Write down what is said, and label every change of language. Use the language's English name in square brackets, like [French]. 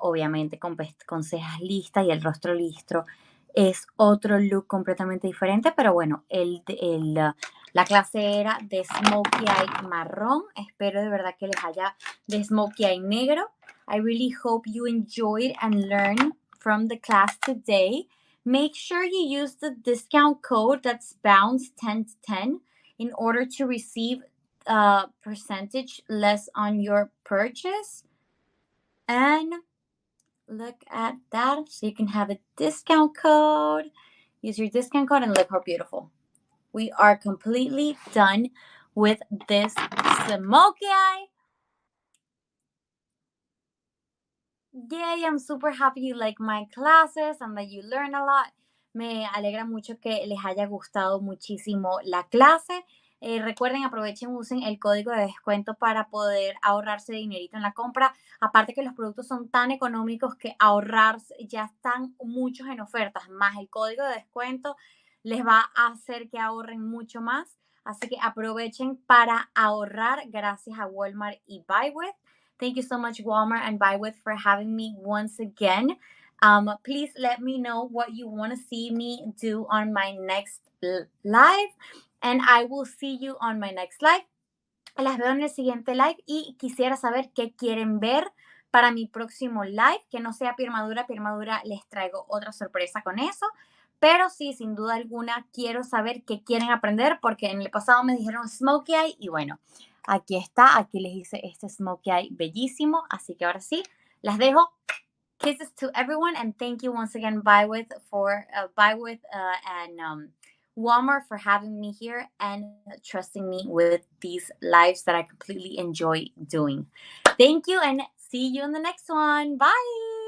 [Spanish] Obviamente con cejas listas y el rostro listo. Es otro look completamente diferente. Pero bueno, la clase era de smokey eye marrón. Espero de verdad que les haya de smokey eye negro. [English] I really hope you enjoyed and learned from the class today. Make sure you use the discount code that's bounce1010 in order to receive a percentage less on your purchase. And look at that. So you can have a discount code. Use your discount code and look how beautiful. We are completely done with this smokey eye. Yay, I'm super happy you like my classes and that you learn a lot. [Spanish] Me alegra mucho que les haya gustado muchísimo la clase. Recuerden, aprovechen, usen el código de descuento para poder ahorrarse dinerito en la compra. Aparte que los productos son tan económicos que ahorrarse ya están muchos en ofertas. Más el código de descuento les va a hacer que ahorren mucho más. Así que aprovechen para ahorrar gracias a Walmart y Buywith. [English] Thank you so much, Walmart and Buywith, for having me once again. Please let me know what you want to see me do on my next live. And I will see you on my next live. [Spanish] Las veo en el siguiente live. Y quisiera saber qué quieren ver para mi próximo live. Que no sea Piermadura. Piermadura, les traigo otra sorpresa con eso. Pero sí, sin duda alguna, quiero saber qué quieren aprender. Porque en el pasado me dijeron smokey eye y bueno... Aquí está, aquí les hice este smokey eye bellísimo. Así que ahora sí, las dejo. [English] Kisses to everyone and thank you once again, Buywith, and Walmart for having me here and trusting me with these lives that I completely enjoy doing. Thank you and see you in the next one. Bye!